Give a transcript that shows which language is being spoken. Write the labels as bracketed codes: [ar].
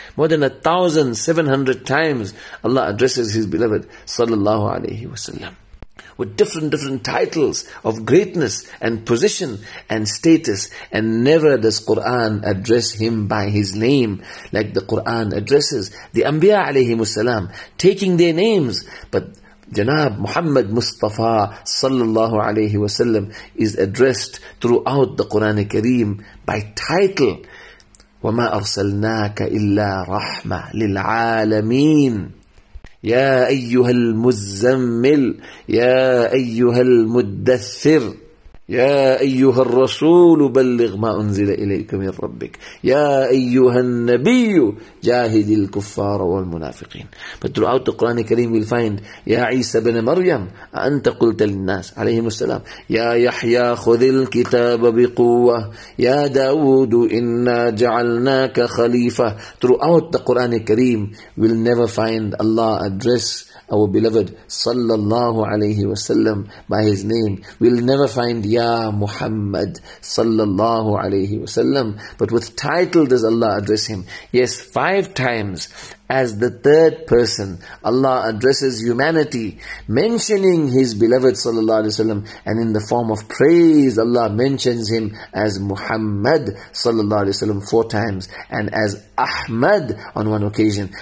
[en] More than 1,700 times Allah addresses his beloved sallallahu alaihi wasallam with different titles of greatness and position and status, and never does Quran address him by his name like the Quran addresses the Anbiya alayhimu salam, taking their names. But Janab Muhammad Mustafa sallallahu alayhi wa sallam is addressed throughout the Quran Kareem by title. [ar] وَمَا أَرْسَلْنَاكَ إِلَّا رَحْمَةً لِلْعَالَمِينَ يا أيها المزمل يا أيها المدثر يا أيها الرسول بلغ ما أنزل إليك من ربك يا أيها النبي جاهد الكفار والمنافقين. [en] But throughout the Quran Kareem we'll find [ar] يا عيسى بن مريم أنت قلت للناس عليهم السلام يا يحيى خذ الكتاب بقوة يا داود إنا جعلناك خليفة. [en] Throughout the Quran Kareem we'll never find Allah address our beloved sallallahu alayhi wa sallam by his name. We'll never find Ya Muhammad sallallahu alayhi wa sallam. But with title does Allah address him. Yes, 5 times as the third person Allah addresses humanity, mentioning his beloved sallallahu alayhi wa sallam, and in the form of praise Allah mentions him as Muhammad sallallahu alayhi wa sallam 4 times and as Ahmad on 1 occasion.